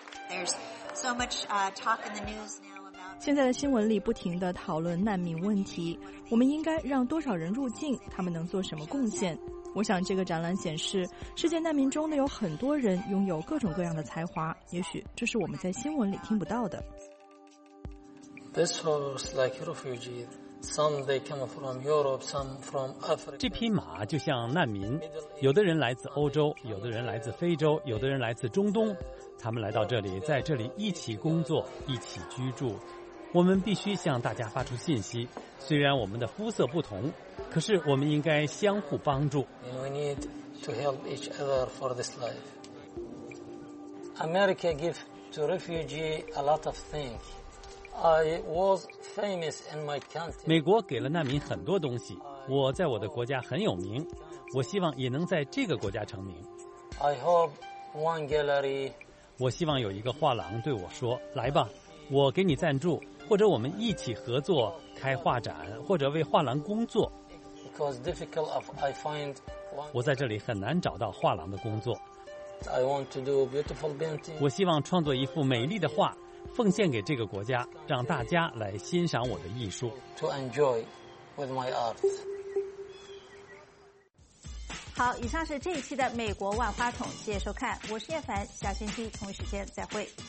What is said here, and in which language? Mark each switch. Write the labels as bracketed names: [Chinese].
[English] There's so much talk in the news now about. [Chinese] 现在的新闻里不停地讨论难民问题，我们应该让多少人入境？他们能做什么贡献？我想这个展览显示，世界难民中的有很多人拥有各种各样的才华，也许这是我们在新闻里听不到的。 [English] This horse like refugees. Some they come from Europe, some from Africa. [Chinese] 这匹马就像难民，有的人来自欧洲，有的人来自非洲，有的人来自中东，他们来到这里，在这里一起工作，一起居住。我们必须向大家发出信息，虽然我们的肤色不同，可是我们应该相互帮助。 [English] We need to help each other for this life. America gives to refugee a lot of things. I was famous in my country. [Chinese] 美国给了难民很多东西，我在我的国家很有名，我希望也能在这个国家成名。 [English] I hope one gallery. [Chinese] 我希望有一个画廊对我说：“来吧，我给你赞助，或者我们一起合作开画展，或者为画廊工作。” [English] Because difficult of I find. [Chinese] 我在这里很难找到画廊的工作。 [English] I want to do beautiful painting. [Chinese] 我希望创作一幅美丽的画。奉献给这个国家，让大家来欣赏我的艺术。 [English] To enjoy with my art. [Chinese] 好，以上是这一期的《美国万花筒》，谢谢收看，我是叶凡，下星期同一时间再会。